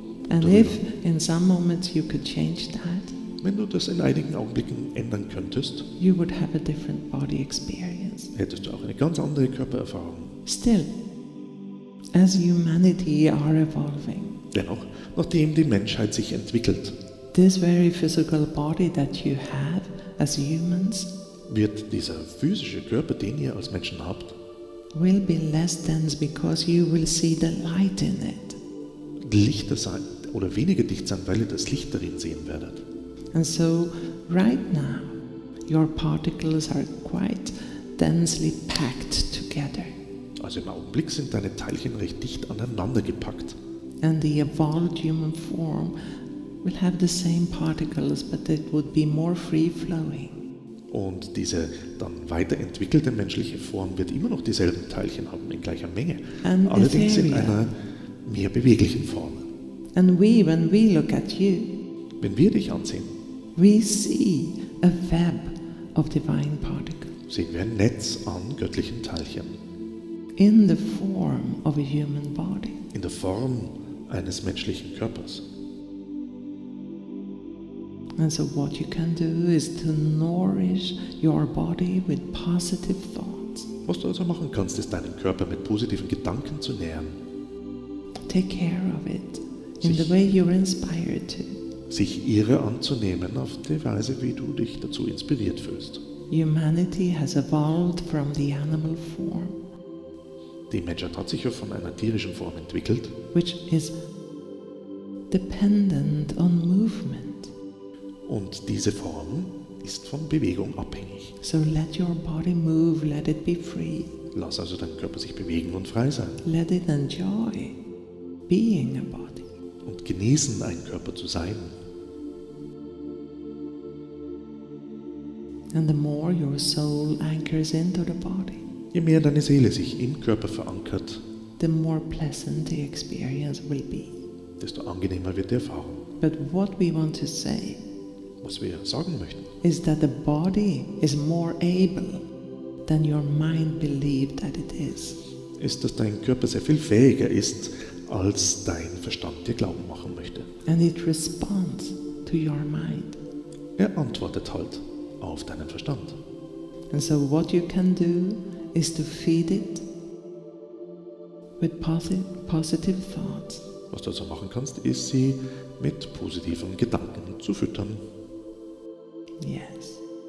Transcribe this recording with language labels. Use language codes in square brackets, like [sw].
[en] And if in some moments you could change that, [de] wenn du das in einigen Augenblicken ändern könntest, [en] you would have a different body experience. [de] Hättest du auch eine ganz andere Körpererfahrung. [en] Still, as humanity are evolving, [de] dennoch, nachdem die Menschheit sich entwickelt, [en] this very physical body that you have as humans, [de] wird dieser physische Körper, den ihr als Menschen habt, [en] will be less dense because you will see the light in it. [de] Lichter sein oder weniger dicht sein, weil ihr das Licht darin sehen werdet. [en] And so right now your particles are quite densely packed together. [de] Also im Augenblick sind deine Teilchen recht dicht aneinander gepackt. [en] And the evolved human form will have the same particles, but it would be more free flowing. [de] Und diese dann weiterentwickelte menschliche Form wird immer noch dieselben Teilchen haben in gleicher Menge, [en] and [de] allerdings in einer mehr beweglichen Form. [en] And we, when we look at you, [de] wenn wir dich ansehen, [en] we see a web of divine particles. [de] Sehen wir ein Netz an göttlichen Teilchen. [en] In the form of a human body. [de] In der Form eines menschlichen Körpers. [en] And so what you can do is to nourish your body with positive thoughts. [de] Was du also machen kannst, ist deinen Körper mit positiven Gedanken zu nähren. [en] Take care of it in the way you're inspired to. [de] Sich ihre anzunehmen auf die Weise, wie du dich dazu inspiriert fühlst. [en] Humanity has evolved from the animal form. [de] Die Menschheit hat sich ja von einer tierischen Form entwickelt, [en] which is dependent on movement. [de] Und diese Form ist von Bewegung abhängig. [en] So let your body move, let it be free. [de] Lass also deinen Körper sich bewegen und frei sein. [en] Let it enjoy being a body. [de] Und genießen, ein Körper zu sein. [en] And the more your soul anchors into the body, [de] je mehr deine Seele sich im Körper verankert, [en] the more pleasant the experience will be. [de] Desto angenehmer wird die Erfahrung. [en] But what we want to say, [de] was wir sagen möchten, [en] is that the body is more able than your mind believed that it is. [de] Ist, dass dein Körper sehr viel fähiger ist, als dein Verstand dir glauben machen möchte. [en] And it responds to your mind. [de] Er antwortet halt auf deinen Verstand. [en] And so what you can do is to feed it with positive thoughts. [de] Was du also machen kannst, ist, sie mit positiven Gedanken zu füttern. [en] Yes.